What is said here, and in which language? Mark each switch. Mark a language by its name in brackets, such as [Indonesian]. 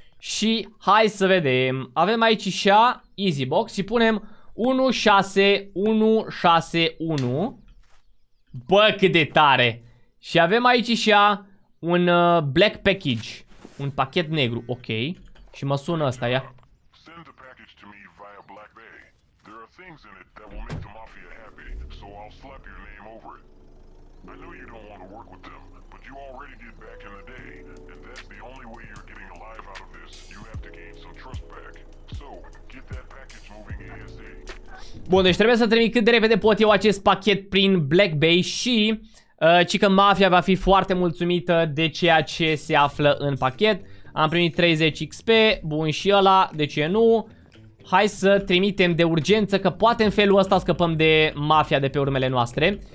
[Romanian] Și hai să vedem. Avem aici și a easy box și punem... 16161. Bă, cât de tare. Și avem aici și a un [English] black package, [Romanian] un pachet negru, ok. Și mă sună ăsta, ia. [English] Send the package to me via Black Bay. There are things in it that will make the mafia happy, so I'll slap your name over it. I know you don't want to work with them, but you already did back in the day, and that's the only way you're getting alive out of this. You have to gain some trust back. So, get that package moving ASAP. [Romanian] Bun, deci trebuie să trimit cât de repede pot eu acest pachet prin Black Bay și ci că mafia va fi foarte mulțumită de ceea ce se află în pachet. Am primit 30 XP, bun și ăla, de ce nu? Hai să trimitem de urgență că poate în felul ăsta scăpăm de mafia de pe urmele noastre.